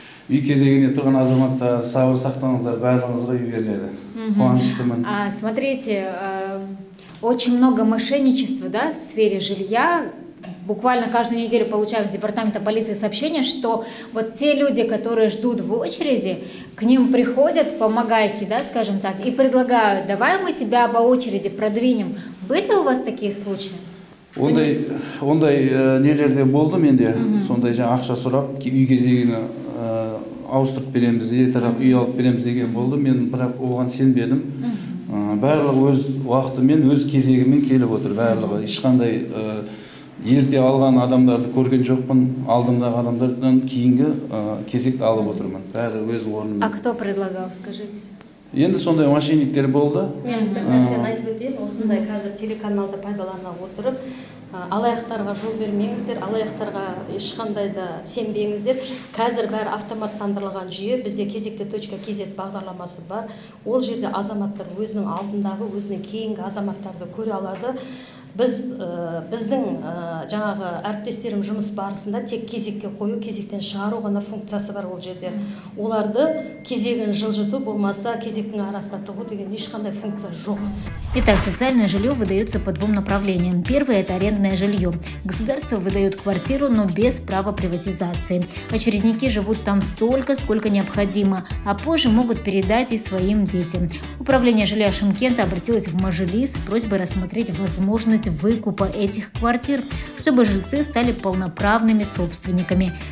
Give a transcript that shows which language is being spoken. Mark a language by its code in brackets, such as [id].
[kk] Үй кезегіне тұрған азаматтар, сабыр сақтаңыздар, барлығыңызға үй беріледі. Қуаныштымын. [ru] Смотрите, очень много мошенничества, да, в сфере жилья. Буквально каждую неделю получаем с департамента полиции сообщение, что вот те люди, которые ждут в очереди, к ним приходят помогайки, да, скажем так, и предлагают, давай мы тебя по очереди продвинем. Были у вас такие случаи? [kk] Ондай нелерде болды менде, сондай жаңа ақша сұрап, үй кезегіне ауыстырып береміз, үй алып береміз деген болды, мен бірақ оған сенбедім. Барлығы өз уақытымен, өз кезегімен келіп отыр, барлығы ешқандай ерте алған адамдарды көрген жоқпын, алдымдағы адамдардан кейінгі кезекті алып отырмын. Бәрі өз орнымен. А кто предлагал, скажите? Енді сондай мошенниктер болды. Мен бір нәрсені айтып өтейін, осындай қазір телеканалды пайдалана отырып, алаяқтарға жол бермеңіздер, алаяқтарға ешқандай да сенбеңіздер. Қазір бәрі автоматтандырылған жүйе, бізде кезекті точка кезет бағдарламасы бар. Ол жерде азаматтар өзінің алдындағы, өзінің кейінгі азаматтарды көре алады. Біздің жаңағы әріптестерім жұмыс барысында тек кезекке қою, кезектен шығару ғана функциясы бар ол жерде. Оларды кезегін жылжыту болмаса, кезектің арасында тығу деген ешқандай функция жоқ. [ru] Итак, социальное жилье выдается по двум направлениям. Первое – это арендное жилье. Государство выдает квартиру, но без права приватизации. Очередники живут там столько, сколько необходимо, а позже могут передать и своим детям. Управление жилья Шымкента обратилось в Мажилис с просьбой рассмотреть возможность выкупа этих квартир, чтобы жильцы стали полноправными собственниками.